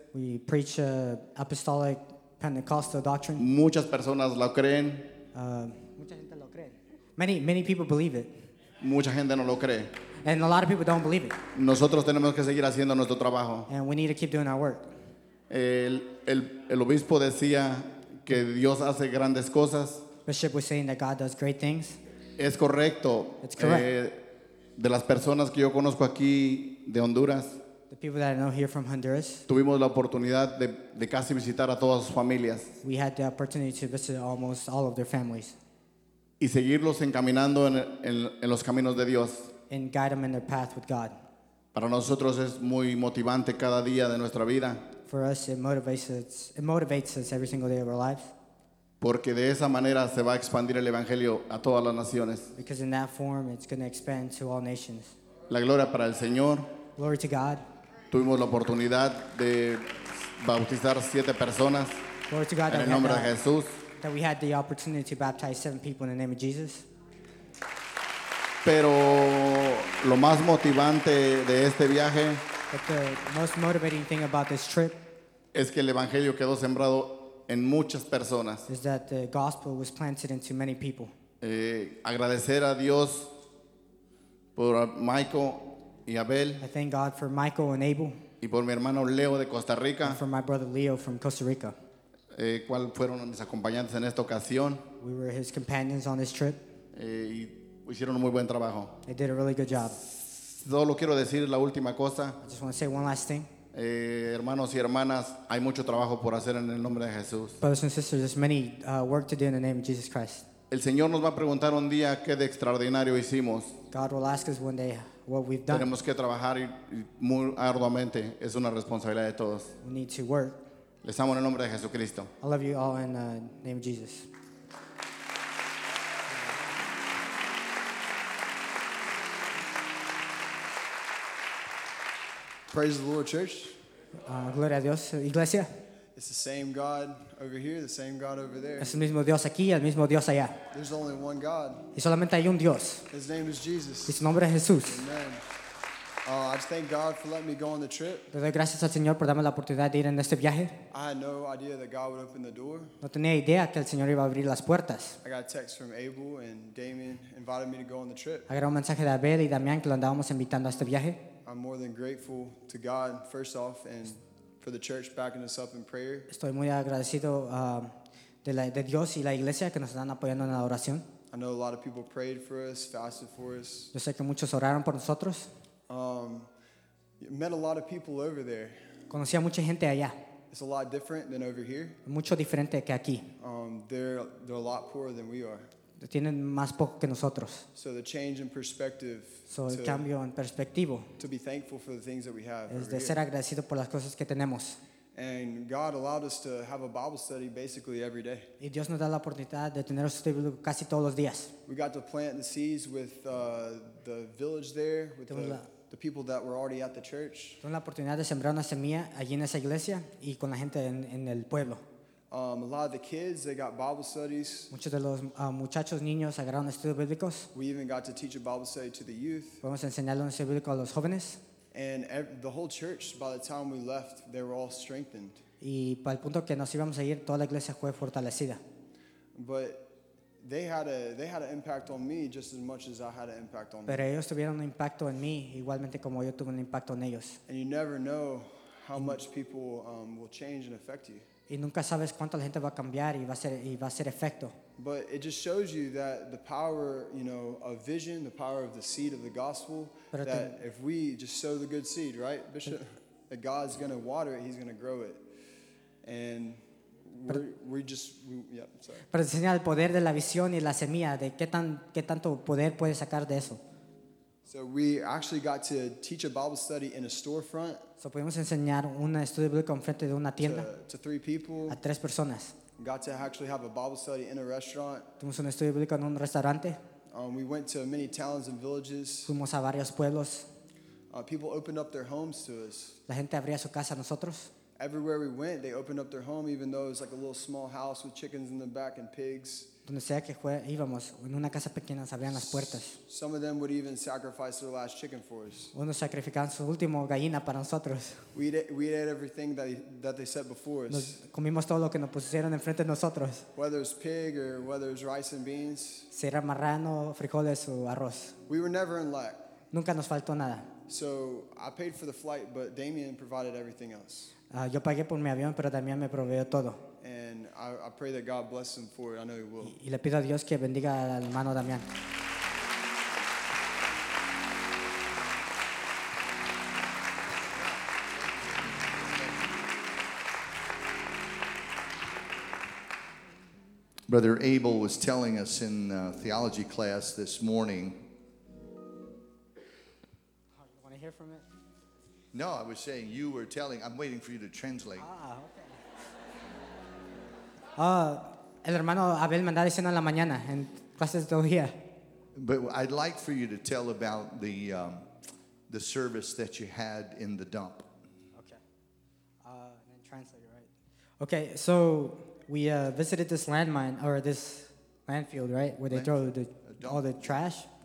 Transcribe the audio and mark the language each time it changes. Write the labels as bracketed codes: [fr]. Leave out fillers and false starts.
[en] We preach an apostolic Pentecostal doctrine. [es] Muchas personas lo creen. Mucha gente lo cree. [en] Many people believe it. [es] Mucha gente no lo cree. [en] And a lot of people don't believe it. [es] Nosotros tenemos que seguir haciendo nuestro trabajo. [en] And we need to keep doing our work. [es] El obispo decía que Dios hace grandes cosas. [en] Bishop was saying that God does great things. [es] Es correcto. [en] It's correct. [es] De las personas que yo conozco aquí de Honduras. [en] The people that I know here from Honduras. [es] Tuvimos la oportunidad de casi visitar a todas sus familias. [en] We had the opportunity to visit almost all of their families. [es] Y seguirlos encaminando en los caminos de Dios. [en] And guide them in their path with God. [es] Para nosotros es muy motivante cada día de nuestra vida. [en] For us, it motivates us every single day of our lives. [es] Porque de esa manera se va a expandir el evangelio a todas las naciones. [en] Because in that form, it's going to expand to all nations. [es] La gloria para el Señor. [en] Glory to God. [es] Tuvimos la oportunidad de bautizar 7 personas. [en] Glory to God. [es] En el nombre de Jesús. [en] That we had the opportunity to baptize 7 people in the name of Jesus. [es] Pero lo más motivante de este viaje, [en] but the most motivating thing about this trip, [es] es que el evangelio quedó sembrado en muchas personas, [en] is that the gospel was planted into many people. [es] Agradecer a Dios por Michael y Abel, [en] I thank God for Michael and Abel, [es] y por mi hermano Leo de Costa Rica, [en] and for my brother Leo from Costa Rica. [es] ¿Cuál fueron mis acompañantes en esta ocasión? [en] We were his companions on this trip. [es] Y hicieron un muy buen trabajo. [en] They did a really good job. [es] Solo quiero decir la última cosa. [en] I just want to say one last thing. [es] Hermanos y hermanas, hay mucho trabajo por hacer en el nombre de Jesús. [en] Brothers and sisters, there's many work to do in the name of Jesus Christ. [es] El Señor nos va a preguntar un día qué de extraordinario hicimos. [en] God will ask us one day what we've done. [es] Tenemos que trabajar muy arduamente. Es una responsabilidad de todos. [en] We need to work. [es] Les amo en el nombre de Jesucristo. [en] I love you all in the name of Jesus. Praise the Lord, church. [es] Gloria a Dios, iglesia. [en] It's the same God over here, the same God over there. [es] Es el mismo Dios aquí, el mismo Dios allá. [en] There's only one God. [es] Y solamente hay un Dios. [en] His name is Jesus. [es] Y su nombre es Jesús. [en] Amen. I just thank God for letting me go on the trip. [es] Le doy gracias al Señor por darme la oportunidad de ir en este viaje. [en] I had no idea that God would open the door. [es] No tenía idea que el Señor iba a abrir las puertas. [en] I got a text from Abel and Damien invited me to go on the trip. [es] Agarré un mensaje de Abel y Damián que lo andábamos invitando a este viaje. [en] I'm more than grateful to God, first off, and for the church backing us up in prayer. [es] Estoy muy agradecido de Dios y la iglesia que nos están apoyando en la oración. [en] I know a lot of people prayed for us, fasted for us. [es] Yo sé que muchos oraron por nosotros. [en] Met a lot of people over there. [es] Conocí a mucha gente allá. [en] It's a lot different than over here. [es] Mucho diferente que aquí. [en] They're a lot poorer than we are. [es] Tienen más poco que nosotros. [en] So the change in perspective. [es] So el cambio en perspectivo. [en] To be thankful for the things that we have. [es] Es de ser agradecido por las cosas que tenemos. [en] And God allowed us to have a Bible study basically every day. [es] Y Dios nos da la oportunidad de tener un estudio bíblico casi todos los días. [en] We got to plant the seeds with the village there, with the people that were already at the church. [es] Tuvimos la oportunidad de sembrar una semilla allí en esa iglesia y con la gente en el pueblo. [en] A lot of the kids, they got Bible studies. [es] Muchos de los muchachos niños agarraron estudios bíblicos. [en] We even got to teach a Bible study to the youth. [es] Podemos enseñarle un estudio bíblico a los jóvenes. [en] And the whole church, by the time we left, they were all strengthened. [es] Y para el punto que nos íbamos a ir, toda la iglesia fue fortalecida. [en] But they had an impact on me just as much as I had an impact on them. [es] Pero ellos tuvieron un impacto en mí igualmente como yo tuve un impacto en ellos. [en] And you never know how much people will change and affect you. [es] Y nunca sabes cuánto la gente va a cambiar y va a ser efecto. [en] But it just shows you that the power, you know, of vision, the power of the seed of the gospel, that if we just sow the good seed, right, Bishop? That God's going to water it, he's going to grow it. And [es] Pero enseña el poder de la visión y la semilla, de qué tanto poder puede sacar de eso. [en] So we actually got to teach a Bible study in a storefront. [es] So pudimos enseñar un estudio bíblico enfrente de una tienda [en] to three people, [es] a tres personas. [en] Got to actually have a Bible study in a restaurant. [es] Tuvimos un estudio bíblico en un restaurante. [en] We went to many towns and villages. [es] Fuimos a varios pueblos. [en] People opened up their homes to us. [es] La gente abría su casa a nosotros. [en] Everywhere we went, they opened up their home, even though it was like a little small house with chickens in the back and pigs. [es] Donde sea que íbamos, en una casa pequeña, se abrían las puertas. [en] Some of them would even sacrifice their last chicken for us. [es] Unos sacrificaban su último gallina para nosotros. [en] We'd ate everything that they set before us. [es] Comimos todo lo que nos pusieron enfrente de nosotros. [en] Whether it's pig or whether it's rice and beans. [es] Si era marrano, frijoles o arroz. [en] We were never in lack. [es] Nunca nos faltó nada. [en] So I paid for the flight, but Damien provided everything else. [es] Yo pagué por mi avión, pero Damien me proveyó todo. [en] And I pray that God bless him for it. I know he will. [es] Y le pido a Dios que bendiga al hermano Damián. [en] Brother Abel was telling us in theology class this morning. You want to hear from it? No, I was saying you were telling. I'm waiting for you to translate. [es] El hermano Abel me andaba diciendo en la mañana en clases de teología. [en] But I'd like for you to tell about the service that you had in the dump. Okay. And then translate, right? Okay, so we visited this landmine or this landfill, right, where they throw all the trash.